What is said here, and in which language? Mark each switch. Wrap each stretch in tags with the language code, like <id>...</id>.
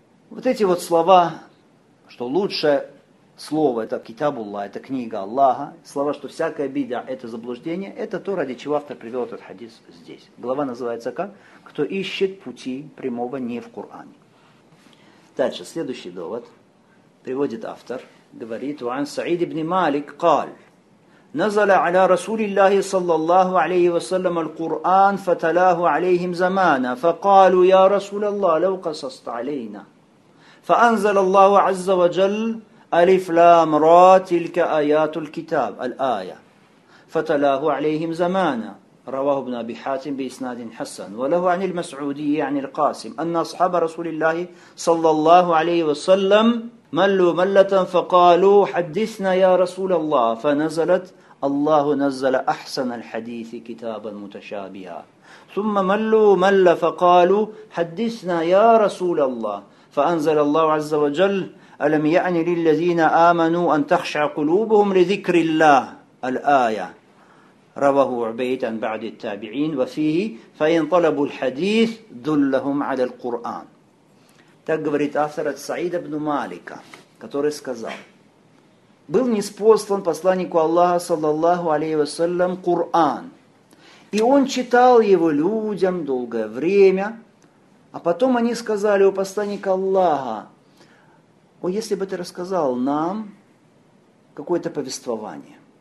<ru>Вот эти вот слова, что лучшее слово, это Китабулла, это книга Аллаха, слова, что всякая бида, это заблуждение, это то, ради чего автор привел этот хадис здесь. Глава называется как? Кто ищет пути прямого не в Коране. Дальше, следующий довод приводит автор. Говорит, «Ван Саид ибн Малик каль».</ru> <ar>نزل على رسول الله صلى الله عليه وسلم القرآن فتلاه عليهم زمانا فقالوا يا رسول الله لو قصصت علينا فأنزل الله عز وجل ألف لام را تلك آيات الكتاب الآية فتلاه عليهم زمانا رواه ابن أبي حاتم بإسناد حسن وله عن المسعودي عن القاسم أن أصحاب رسول الله صلى الله عليه وسلم ملوا ملة فقالوا حدثنا يا رسول الله فنزلت الله نزل أحسن الحديث كتابا متشابها ثم ملوا مل فقالوا حدثنا يا رسول الله فأنزل الله عز وجل ألم يعني للذين آمنوا أن تخشع قلوبهم لذكر الله الآية رواه عبيد عن بعض التابعين وفيه فإن طلبوا الحديث دلهم على القرآن.</ar> <ru>Так говорит автор от Саида ибн Малика, который сказал, был ниспослан посланнику Аллаха, саллаллаху алейхи вассалям, Коран. И он читал его людям долгое время, а потом они сказали, о посланник Аллаха, о, если бы ты рассказал нам какое-то повествование.</ru>